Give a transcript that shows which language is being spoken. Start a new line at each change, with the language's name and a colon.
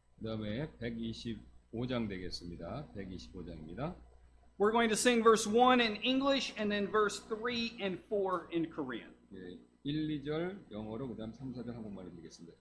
Korean: 그다음에 125장 되겠습니다. 125장입니다.
English: We're going to sing verse 1 in English and then verse 3 and 4 in Korean.
Korean: 예, 1, 2절 영어로 그다음 3, 4절 한국말로 읽겠습니다.